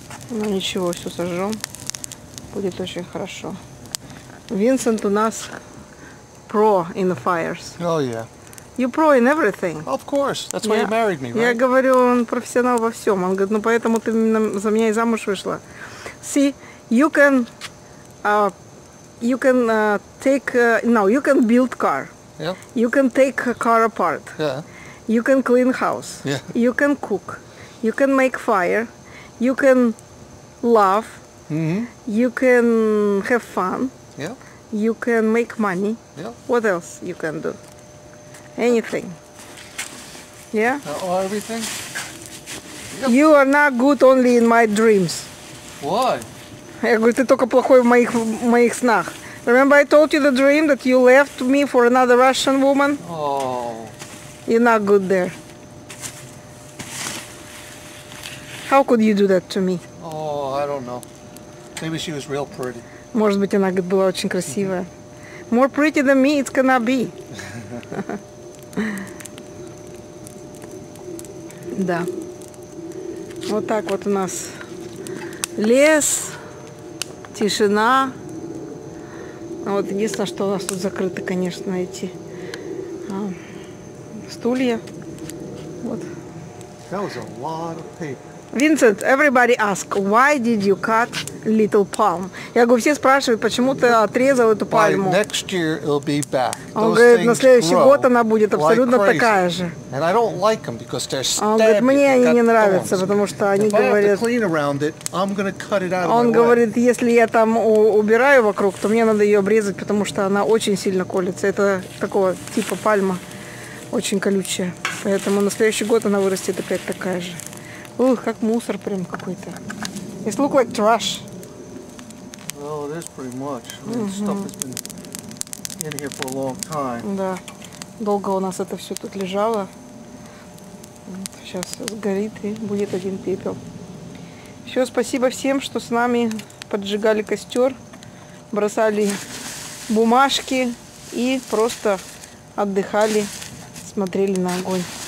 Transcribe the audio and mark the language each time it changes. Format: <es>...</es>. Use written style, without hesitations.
<ru>Ну ничего, все сожжем. Будет очень хорошо.</ru> <en>Винсент</en> <ru>у нас</ru> <en>pro in the fires. Oh yeah. You pro in everything. Of course. That's why you married me, right?</en> <ru>Я говорю, он профессионал во всем. Он говорит, ну поэтому ты за меня и замуж вышла.</ru> <en>See, you can take, no, you can build car. Yeah. You can take a car apart. Yeah. You can clean house. Yeah. You can cook. You can make fire. You can laugh. Mm-hmm. You can have fun. Yeah. You can make money. Yeah. What else you can do? Anything. Yeah? Everything. Yep. You are not good only in my dreams. Why?</en> <ru>Я говорю, ты только плохой в моих снах.</ru> <en>Remember I told you the dream that you left me for another Russian woman? Oh. You're not good there. How could you do that to me? Oh, I don't know. Maybe she was real pretty.</en> <ru>Может быть, она была очень красивая.</ru> <en>More pretty than me it cannot be.</en> <ru>Да. Вот так вот у нас лес, тишина. Вот единственное, что у нас тут закрыто, конечно, эти стулья. Вот.</ru> <en>That was a lot of paper. Vincent, everybody ask, why did you cut little palm?</en> <ru>Я говорю, все спрашивают, почему ты отрезал эту пальму.</ru> <en>By next year it'll be back.</en> <ru>Он говорит, на следующий год она будет абсолютно такая же.</ru> <en>And I don't like them because they're stabby.</en> <ru>Он говорит, мне они не нравятся, потому что они говорят. Он говорит, если я там убираю вокруг, то мне надо ее обрезать, потому что она очень сильно колется. Это такого типа пальма, очень колючая. Поэтому на следующий год она вырастет опять такая же. Ух, как мусор прям какой-то.</ru> <en>It looks like trash. Well, it is pretty much. Uh-huh. Stuff has been in here for a long time.</en> <ru>Да. Долго у нас это все тут лежало. Вот, сейчас сгорит и будет один пепел. Все, спасибо всем, что с нами поджигали костер, бросали бумажки и просто отдыхали, смотрели на огонь.</ru>